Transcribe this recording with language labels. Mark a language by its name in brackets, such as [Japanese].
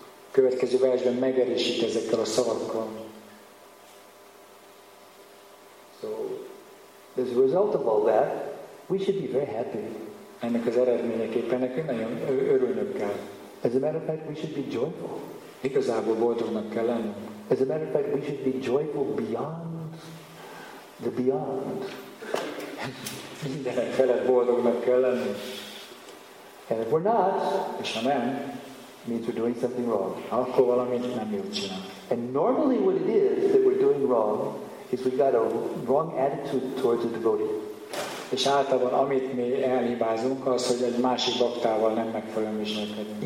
[Hungarian] következő versben megerősít ezekkel a szavakkal. [English] So, as a result of all that, we should be very happy. [Hungarian] Ennek az eredményeképpen nekünk nagyon örülnök kell. [English] As a matter of fact, we should be joyful. [Hungarian] Igazából boldognak kell lenni. [English] As a matter of fact, we should be joyful beyond the beyond. [Hungarian] Mindenek felett boldognak kell lenni. [English] And if we're not, [Hungarian] és ha nem, [English] means we're doing something wrong. [Hungarian] Akkor valamit nem jól csinálunk. [English] And normally what it is that we're doing wrong is we've got a wrong attitude towards a devotee. [Hungarian] És általában amit mi elhibázunk, az, hogy egy másik baktával nem megfelelően viselkedünk.